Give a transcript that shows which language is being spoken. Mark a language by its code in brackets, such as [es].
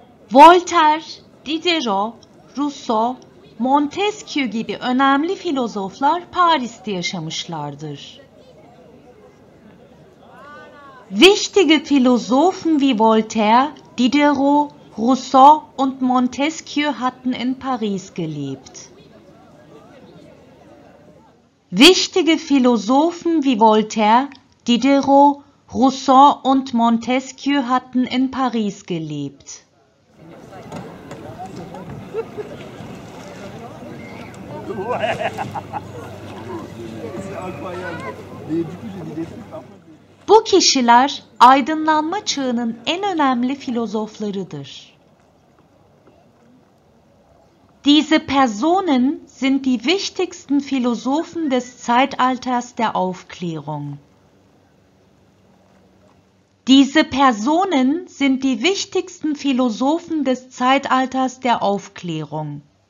[tr] Voltaire, Diderot, Rousseau, Montesquieu gibi önemli filozoflar Paris'te yaşamışlardır. [de] Wichtige Philosophen wie Voltaire, Diderot, Rousseau und Montesquieu hatten in Paris gelebt. Wichtige Philosophen wie Voltaire, Diderot, Rousseau und Montesquieu hatten in Paris gelebt. [tr] Bu kişiler aydınlanma çağının en önemli filozoflarıdır. [de] Diese Personen sind die wichtigsten Philosophen des Zeitalters der Aufklärung. Diese Personen sind die wichtigsten Philosophen des Zeitalters der Aufklärung.